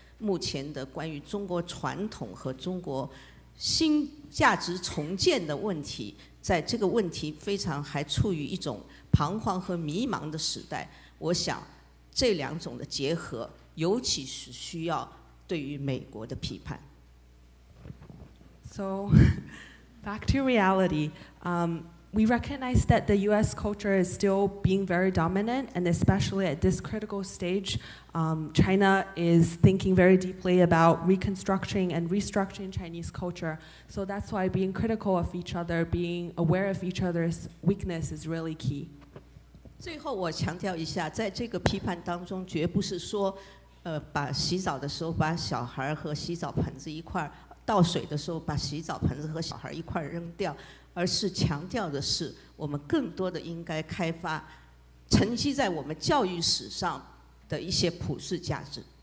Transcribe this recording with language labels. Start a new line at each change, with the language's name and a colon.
Chinese: 目前的关于中国传统和中国新价值重建的问题，在这个问题非常还处于一种彷徨和迷茫的时代，我想这两种的结合尤其是需要对于美国的批判。
English: So back to reality, we recognize that the US culture is still being very dominant, and especially at this critical stage, China is thinking very deeply about reconstructing and restructuring Chinese culture. So that's why being critical of each other, being aware of each other's weakness is really key.
Chinese: 最后我强调一下，在这个批判当中绝不是说把洗澡的时候把小孩和洗澡盆子一块，倒水的时候把洗澡盆子和小孩一块扔掉，而是强调的是我们更多的应该开发沉积在我们教育史上的一些普世价值。